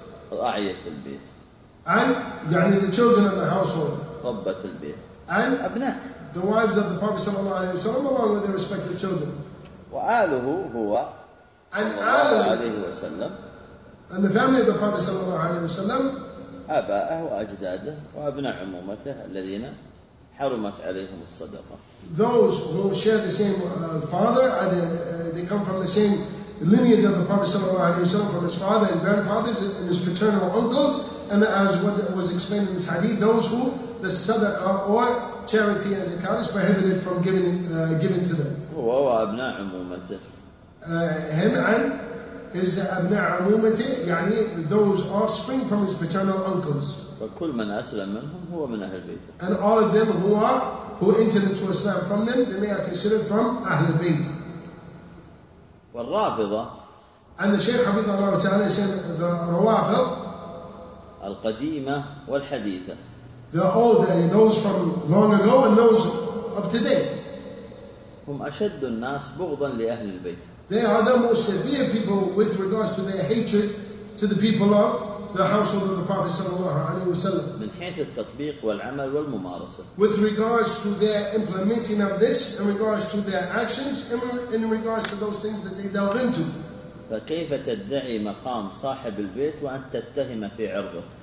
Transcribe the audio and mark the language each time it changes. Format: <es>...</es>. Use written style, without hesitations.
<ar>ورعية البيت.</ar> <en>And يعني the children of the household.</en> <ar>ربة البيت.</ar> <en>And</en> <ar>أبناء.</ar> <en>The wives of the Prophet</en> <ar>صلى الله عليه وسلم</ar> <en>along with their respective children.</en> <ar>وآله هو.</ar> <en>And</en> <ar>آله وسلم.</ar> <en>And the family of the Prophet</en> <ar>صلى الله عليه وسلم. آباءه وأجداده وأبناء عمومته الذين حرمت عليهم الصدقة.</ar> <en>Those who share the same father and they come from the same lineage of the Prophet</en> <ar>صلى الله عليه وسلم,</ar> <en>from his father and grandfathers and his paternal uncles, and as what was explained in this hadith, those who the sadaqa or charity as it counts is prohibited from giving to them.</en> <ar>هو وأبناء عمومته.</ar> <en>Him and his</en> <ar>أبناء عمومته,</ar> <en>يعني those offspring from his paternal uncles.</en> <ar>وكل من أسلم منهم هو من أهل البيت.</ar> <en>And all of them who entered into Islam from them, they are considered from</en> <ar>أهل البيت. والرافضة.</ar> <en>And the Shaykh</en> <ar>حفظه الله تعالى</ar> <en>said the روافض.</en> <ar>القديمة والحديثة.</ar> <en>The old, those from long ago and those of today.</en> <ar>هم أشد الناس بغضا لأهل البيت.</ar> <en>They are the most severe people with regards to their hatred to the people of the household of the Prophet</en> <ar>صلى الله عليه وسلم. من حيث التطبيق والعمل والممارسة.</ar> <en>With regards to their implementing of this, in regards to their actions, in regards to those things that they delve into.</en> <ar>فكيف تدعي مقام صاحب البيت وأن تتهم في عرضه؟</ar>